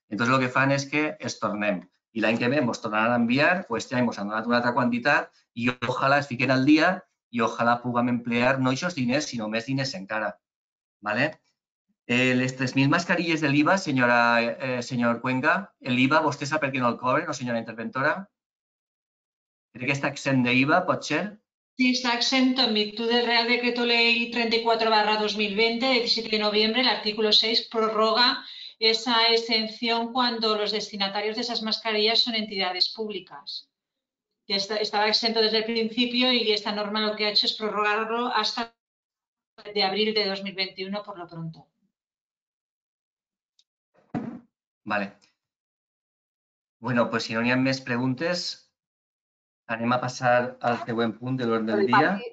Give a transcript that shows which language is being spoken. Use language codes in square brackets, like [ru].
[ca] Entonces, el que fan és que es tornem. I l'any que ve ens tornaran a enviar, o este any ens han donat una altra quantitat, i ojalà es fiquen al dia i ojalà puguem emplear no aquests diners, sinó més diners encara. ¿Vale? Les 3.000 mascarilles de l'IVA, senyora, senyor Cuenca, l'IVA, vostè sap per què no el cobren, o senyora interventora? Crec que està exempt d'IVA, pot ser? [es] Sí, está exento en virtud del Real Decreto Ley 34/2020, de 17 de noviembre, el artículo 6 prorroga esa exención cuando los destinatarios de esas mascarillas son entidades públicas. Estaba exento desde el principio y esta norma lo que ha hecho es prorrogarlo hasta de abril de 2021, por lo pronto. Vale. Bueno, pues si no hay más preguntas... [ca] Anem a passar al següent punt de l'ordre del dia.